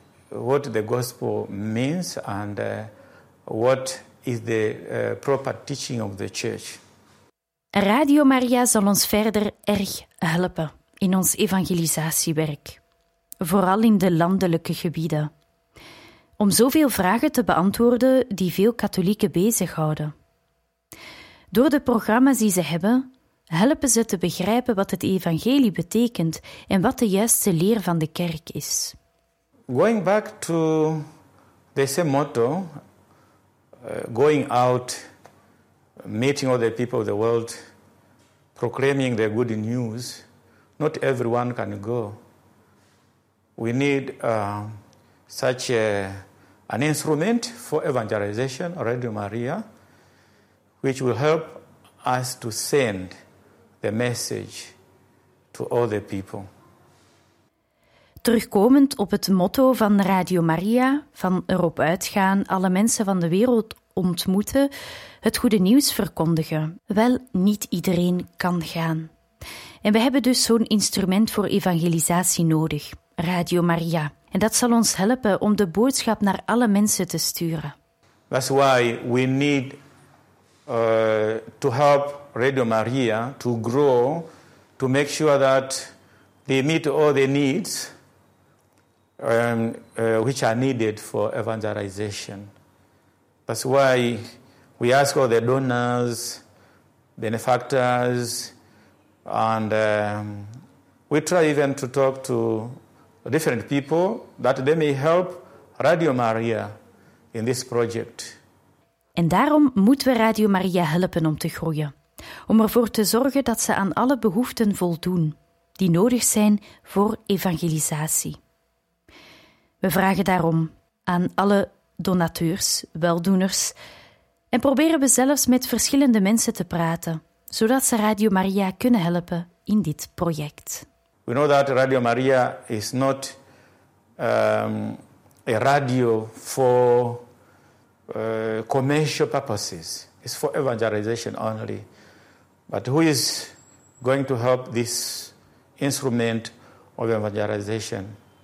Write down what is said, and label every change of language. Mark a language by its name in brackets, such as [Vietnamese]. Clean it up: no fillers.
[English] what the gospel means and what is the proper teaching of the church. [Dutch] Radio Maria zal ons verder erg helpen in ons evangelisatiewerk, vooral in de landelijke gebieden, om zoveel vragen te beantwoorden die veel katholieken bezighouden. Door de programma's die ze hebben, helpen ze te begrijpen wat het evangelie betekent en wat de juiste leer van de kerk is. [English] Going back to the same motto, going out, meeting all the people of the world, proclaiming the good news, not everyone can go. We need such an instrument for evangelization, Radio Maria, which will help us to send the message to all the people. [Dutch] Terugkomend op het motto van Radio Maria, van erop uitgaan, alle mensen van de wereld ontmoeten, het goede nieuws verkondigen. Wel, niet iedereen kan gaan. En we hebben dus zo'n instrument voor evangelisatie nodig, Radio Maria. En dat zal ons helpen om de boodschap naar alle mensen te sturen. [English] That's why we need to help Radio Maria to grow, to make sure that they meet all the needs which are needed for evangelization. That's why we ask all the donors, benefactors, and we try even to talk to different people that they may help Radio Maria in this project. [Dutch] En daarom moeten we Radio Maria helpen om te groeien, om ervoor te zorgen dat ze aan alle behoeften voldoen die nodig zijn voor evangelisatie. We vragen daarom aan alle donateurs, weldoeners, en proberen we zelfs met verschillende mensen te praten, zodat ze Radio Maria kunnen helpen in dit project. [English] We know that Radio Maria is not a radio for commercial purposes. It's for evangelization only. But who is going to help this instrument of evangelization?